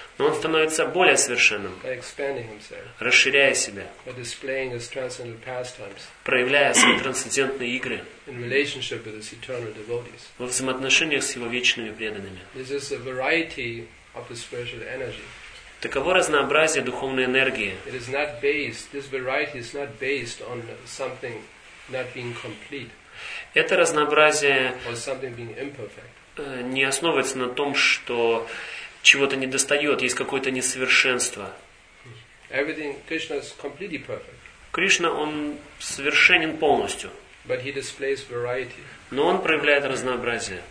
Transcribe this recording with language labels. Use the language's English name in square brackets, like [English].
[Russian] Но он становится более совершенным. [English] By expanding himself. [Russian] Расширяя себя. [English] By displaying his transcendental pastimes. [Russian] Проявляя свои трансцендентные игры. [English] In relationship with his eternal devotees. [Russian] Во взаимоотношениях с его вечными преданными. [English] This is a variety of the spiritual energy. [Russian] Таково разнообразие духовной энергии. [English] It is not based. This variety is not based on something not being complete. [Russian] Это разнообразие. [English] Or something being imperfect. [Russian] Не основывается на том, что чего-то недостает, есть какое-то несовершенство. [English] Krishna is completely perfect. [Russian] Кришна, он совершенен полностью. [English] But he displays variety. [Russian] Но он проявляет разнообразие.